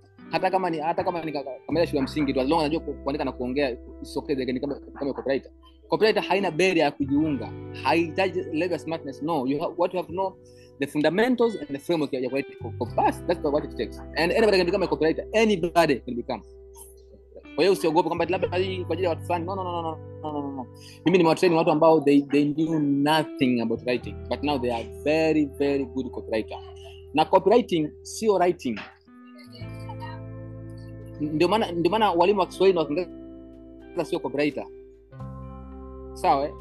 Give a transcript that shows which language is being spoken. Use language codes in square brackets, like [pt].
[sw] Hata kama ni kama shule ya msingi tu, as long as anajua kuandika na kuongea, isokee zake ni kama copywriter. Copywriter haina barrier ya kujiunga. Haihitaji level smartness. [en] No, what you have to know the fundamentals and the framework you have to pass. That's what it takes. And anybody can become a copywriter. Anybody can become. [sw] Kwa hiyo usiogope kwamba labda kwa ajili ya watu fulani. [en] No. [sw] Mimi nimewatrain watu ambao they knew nothing about writing, but now they are very very good copywriter. Na copywriting sio writing. Ndio maana walimu wa Kiswahili wanasema sio copywriter. Sawa eh?